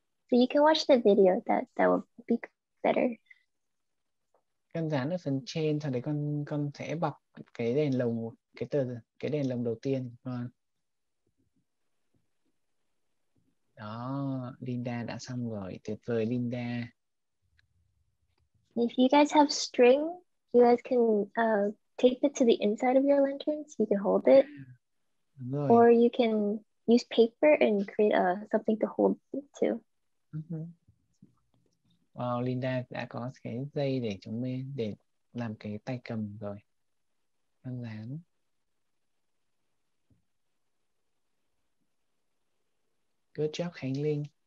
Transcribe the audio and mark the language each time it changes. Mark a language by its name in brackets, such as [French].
[English] So you can watch the video, that will be better. [Vietnamese] Con dán ở phần trên, sau đấy con sẽ bọc cái đèn lồng, cái đèn lồng đầu tiên. Đó, Linda đã xong rồi, tuyệt vời Linda. [English] If you guys have string, you guys can tape it to the inside of your lantern so you can hold it. Or you can use paper and create something to hold it to. [Vietnamese] Wow, Linda đã có cái dây để chúng mình để làm cái tay cầm rồi. Con dán. [English] Good job, Khánh Linh.